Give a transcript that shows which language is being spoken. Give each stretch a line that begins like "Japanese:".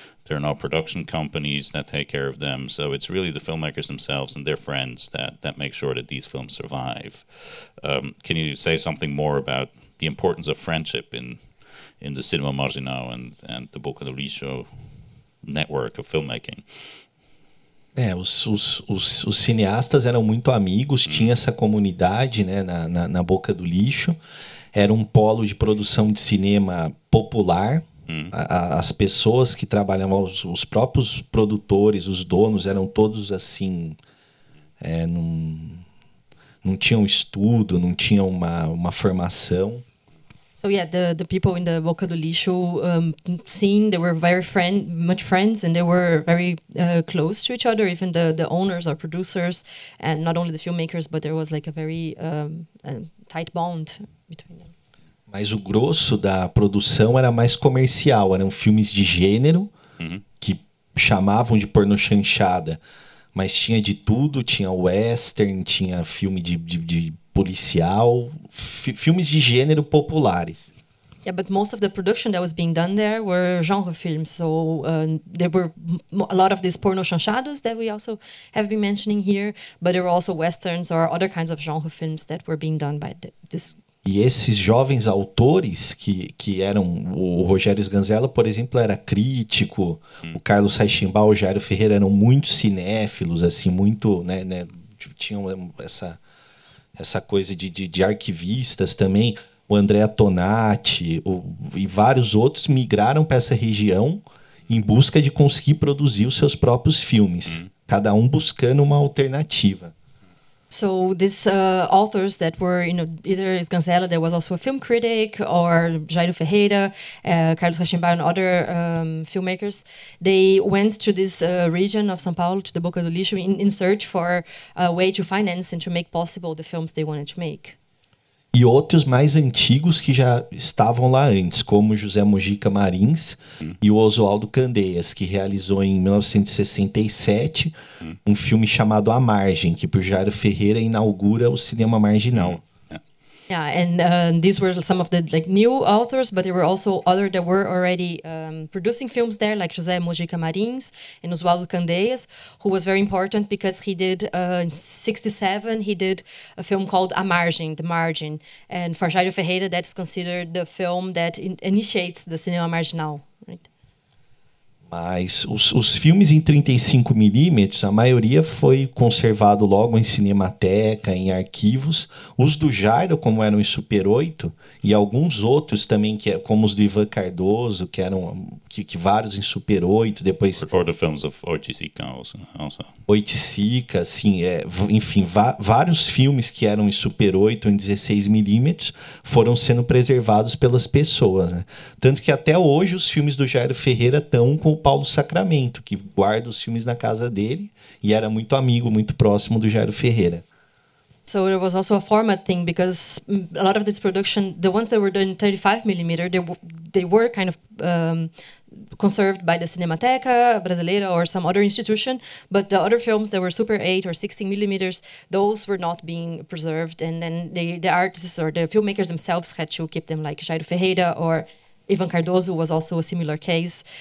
English: There are no production companies that take care of them, so it's really the filmmakers themselves and their friends that make sure that these films survive. Can you say something more about the importance of friendship in the Cinema Marginal and the Boca do Lixo network of filmmaking?
Portuguese: É, os cineastas eram muito amigos, tinha essa comunidade, né, na Boca do Lixo. Era um polo de produção de cinema popular. As pessoas que trabalhavam, os próprios produtores, os donos, eram todos assim... Não tinham estudo, não tinham uma formação.
English: So yeah, the people in the Boca do Lixo scene, they were very friends, and they were very close to each other, even the owners or producers, and not only the filmmakers, but there was like a very tight bond between them.
Portuguese: Mas o grosso da produção era mais comercial, eram filmes de gênero, que chamavam de porno chanchada, mas tinha de tudo, tinha western, tinha filme de policial, filmes de gênero populares.
English: Yeah, but most of the production that was being done there were genre films, so there were a lot of these porno chanchados that we also have been mentioning here, but there were also westerns or other kinds of genre films that were being done by this.
Portuguese: E esses jovens autores que eram o Rogério Sganzella, por exemplo, era crítico, o Carlos Reichenbach, o Jairo Ferreira eram muito cinéfilos, assim, muito, né, tinham essa coisa de arquivistas também, o André Tonati e vários outros migraram para essa região em busca de conseguir produzir os seus próprios filmes, cada um buscando uma alternativa.
English: So these authors that were, you know, either Sganzella, there was also a film critic, or Jairo Ferreira, Carlos Reichenbach, and other filmmakers, they went to this region of São Paulo, to the Boca do Lixo, in search for a way to finance and to make possible the films they wanted to make.
Portuguese: E outros mais antigos que já estavam lá antes, como José Mojica Marins e o Oswaldo Candeias, que realizou em 1967 um filme chamado A Margem, que por Jairo Ferreira inaugura o cinema marginal.
English: Yeah, and these were some of the like new authors, but there were also other that were already producing films there, like José Mojica Marins and Oswaldo Candeias, who was very important because he did, in 67, he did a film called A Margin, The Margin. And for Jairo Ferreira, that's considered the film that initiates the cinema marginal, right?
Portuguese: Mas os filmes em 35mm, a maioria foi conservado logo em cinemateca, em arquivos. Os do Jairo, como eram em Super 8, e alguns outros também, que, como os do Ivan Cardoso, que eram que vários em Super 8, depois...
English: Recorded films of Oiticica also.
Portuguese: Oiticica, sim, enfim, vários filmes que eram em Super 8, em 16mm, foram sendo preservados pelas pessoas, né? Tanto que até hoje os filmes do Jairo Ferreira estão com o Paulo Sacramento, que guarda os filmes na casa dele e era muito amigo, muito próximo do Jairo Ferreira.
English: So there was also a format thing, because a lot of this production, the ones that were done in 35mm, they were kind of conserved by the Cinemateca Brasileira or some other institution, but the other films that were Super 8 or 16mm, those were not being preserved, and then the artists or the filmmakers themselves had to keep them, like Jairo Ferreira or Ivan Cardoso was also a similar case.